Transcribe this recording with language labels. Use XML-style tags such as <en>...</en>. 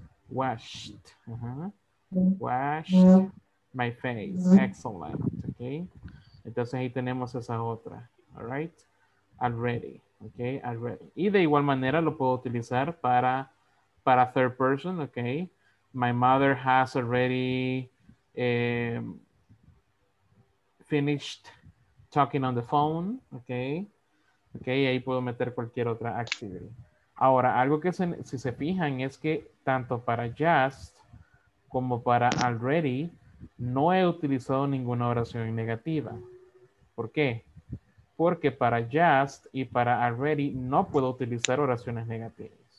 <en>Washed my face. Excellent. Okay.</en> <es>Entonces ahí tenemos esa otra.</es> <en>All right. already. Ok, already.</en> <es>Y de igual manera lo puedo utilizar para third person.</es> <en>Ok, my mother has already finished talking on the phone.</en> <es>Ok, ok, y ahí puedo meter cualquier otra activity. Ahora, algo que se, si se fijan es que tanto para just como para already no he utilizado ninguna oración negativa. ¿Por qué? Porque para just y para already no puedo utilizar oraciones negativas.</es>